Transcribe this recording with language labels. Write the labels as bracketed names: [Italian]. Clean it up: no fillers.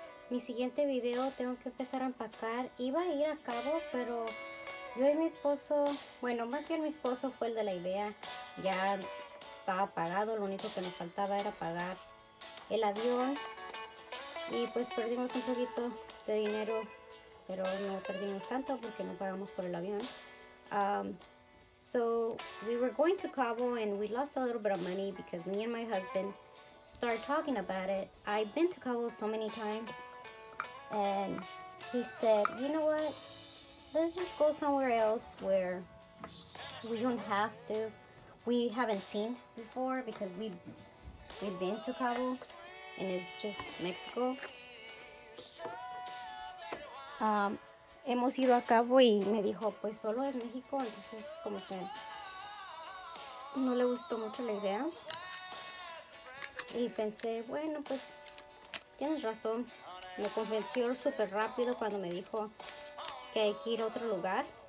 [Spanish] Mi siguiente video tengo que empezar a empacar. Iba a ir a cabo, pero yo y mi esposo, bueno, más bien mi esposo fue el de la idea. Ya estaba pagado, lo único que nos faltaba era pagar el avión. Y pues perdimos un poquito de dinero, pero no perdimos tanto porque no pagamos por el avión. [English] So we were going to Cabo and we lost a little bit of money because me and my husband started talking about it. I've been to Cabo so many times and he said, you know what? Let's just go somewhere else where we don't have to. We haven't seen before because we've been to Cabo and it's just Mexico. [Spanish] Hemos ido a Cabo y me dijo, pues solo es México, entonces como que no le gustó mucho la idea. Y pensé, bueno, pues tienes razón. Me convenció súper rápido cuando me dijo que hay que ir a otro lugar.